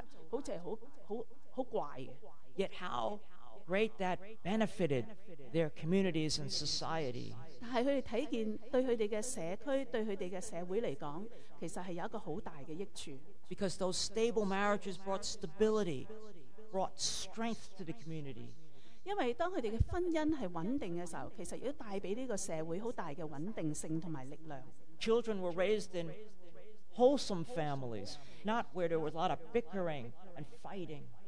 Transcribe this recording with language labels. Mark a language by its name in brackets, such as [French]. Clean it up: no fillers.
[Chinese] 在當時,對當時的文化,甚至對今天的文化來說,他們這樣的做法,好像是很怪的。 [English] Yet how great that benefited their communities and society. [Chinese] 但是他們看見,對他們的社區,對他們的社會來說,其實是有一個很大的益處。 [English] Because those stable marriages brought stability, brought strength to the community. [Chinese] 因為當他們的婚姻是穩定的時候,其實也帶給這個社會很大的穩定性和力量。 [English] Children were raised in wholesome families, not where there was a lot of bickering and fighting.